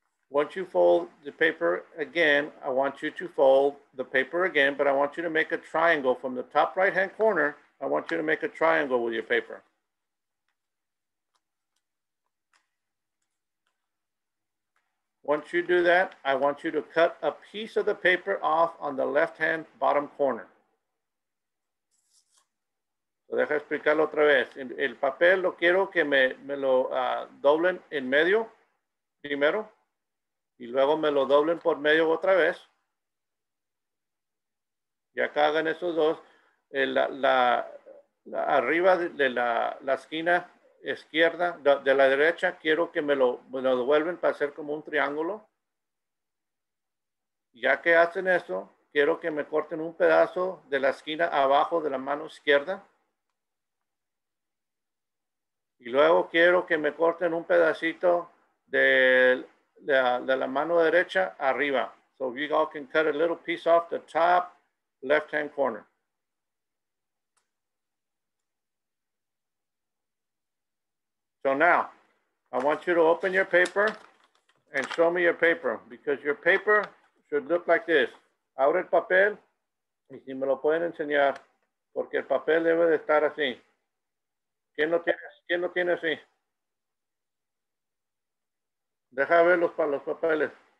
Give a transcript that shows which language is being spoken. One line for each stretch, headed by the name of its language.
English: Once you fold the paper again, I want you to fold the paper again, but I want you to make a triangle from the top right-hand corner. I want you to make a triangle with your paper. I Once you do that, I want you to cut a piece of the paper off on the left-hand bottom corner.
Spanish: Lo dejo explicarlo otra vez. El papel lo quiero que me lo doblen en medio primero y luego me lo doblen por medio otra vez. Y acá hagan esos dos. La arriba de la esquina izquierda, de la derecha, quiero que me lo devuelven para hacer como un triángulo. Ya que hacen eso, quiero que me corten un pedazo de la esquina abajo de la mano izquierda. Y luego quiero que me corten un pedacito de la mano derecha arriba.
English: So you all can cut a little piece off the top left-hand corner. So now, I want you to open your paper and show me your paper, because your paper should look like this.
Spanish: Abre el papel y si me lo pueden enseñar, porque el papel debe de estar así. ¿Quién lo tiene así? Deja ver los papeles.